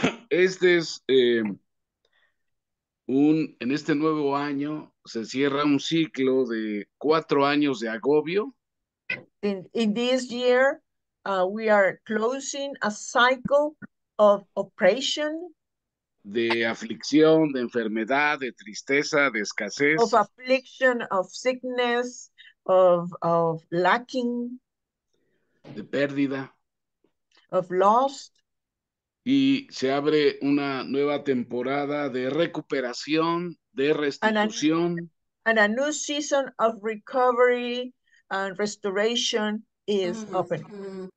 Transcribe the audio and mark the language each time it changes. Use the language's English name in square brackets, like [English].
[Spanish] Este es un en este nuevo año se cierra un ciclo de 4 años de agobio. [English] In this year, we are closing a cycle of oppression. [Spanish] De aflicción, de enfermedad, de tristeza, de escasez. [English] Of affliction, of sickness, of lacking. [Spanish] De pérdida. [English] Of lost. [Spanish] Y se abre una nueva temporada de recuperación, de restitución. [English] And a new season of recovery and restoration is open.